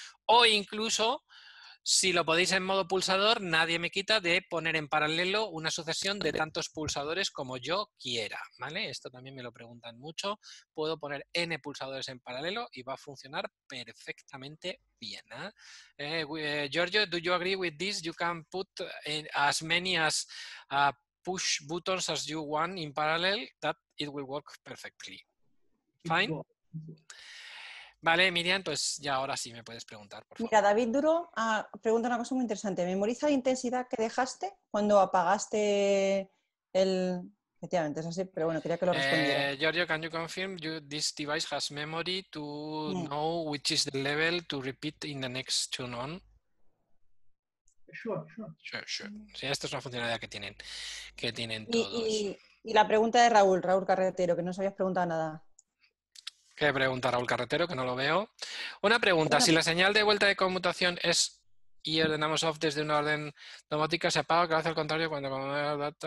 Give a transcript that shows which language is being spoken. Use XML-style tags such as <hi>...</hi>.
<es>O incluso, si lo podéis en modo pulsador, nadie me quita de poner en paralelo una sucesión de tantos pulsadores como yo quiera, ¿vale? Esto también me lo preguntan mucho. Puedo poner N pulsadores en paralelo y va a funcionar perfectamente bien, ¿eh?</es> <en>Giorgio, do you agree with this? You can put in as many as push buttons as you want in parallel, that it will work perfectly. Fine.</en> <es>Vale, Miriam, pues ya ahora sí me puedes preguntar, por favor. Mira, David Duro pregunta una cosa muy interesante. ¿Memoriza la intensidad que dejaste cuando apagaste el...? Efectivamente, es así, pero bueno, quería que lo respondiera.</es> <en>Giorgio, can you confirm you, this device has memory to know which is the level to repeat in the next turn on? Sure.</en> <es>Sí, esta es una funcionalidad que tienen todos. Y la pregunta de Raúl Carretero, que no os habías preguntado nada. ¿Qué pregunta, Raúl Carretero? Que no lo veo. Una pregunta. Si la señal de vuelta de conmutación es y ordenamos off desde una orden domótica, ¿se apaga o hace al contrario cuando...</es>